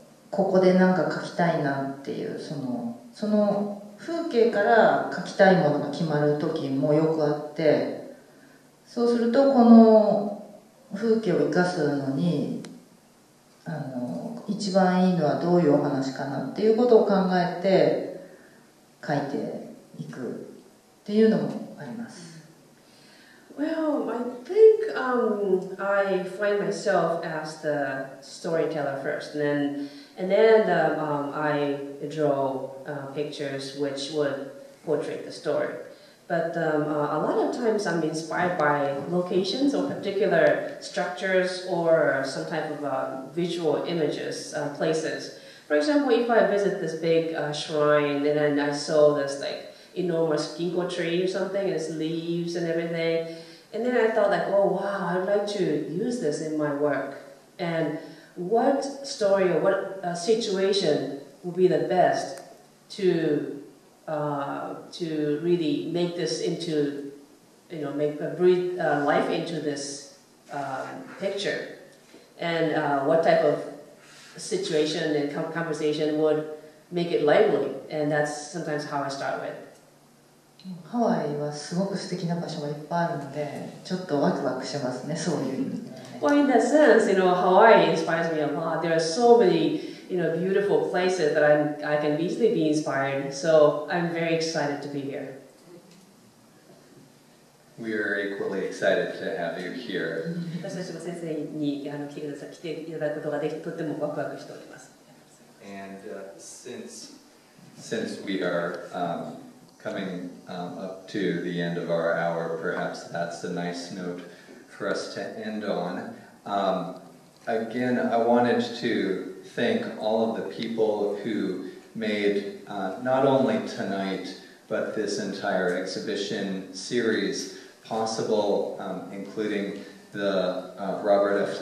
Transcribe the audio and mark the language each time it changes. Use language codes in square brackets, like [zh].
[ja] ここで何か描きたいなっていう、その風景から描きたいものが決まる時もよくあって、そうするとこの風景を生かすのにあの一番いいのはどういうお話かなっていうことを考えて描いていくっていうのもあります。 [en] Well, I think I find myself as the storyteller first, and then I draw pictures which would portray the story. But a lot of times I'm inspired by locations or particular structures or some type of visual images, places. For example, if I visit this big shrine and then I saw this like enormous ginkgo tree or something, its leaves and everything, and then I thought like, oh wow, I'd like to use this in my work. And what story or what situation would be the best to really make this into, you know, breathe life into this picture? And what type of situation and conversation would make it lively? And that's sometimes how I start with. [ja] ハワイはすごく素敵な場所がいっぱいあるので、ちょっとワクワクしますね、そういう意味で。 [en] Well, in that sense, you know, Hawaii inspires me a lot. There are so many, you know, beautiful places that I can easily be inspired. So I'm very excited to be here. We are equally excited to have you here. [ja] 私たちも先生にあの来ていただくことができてとてもワクワクしております。 [en] And since we are coming up to the end of our hour, perhaps that's a nice note for us to end on. Again, I wanted to thank all of the people who made not only tonight, but this entire exhibition series possible, including the Robert F.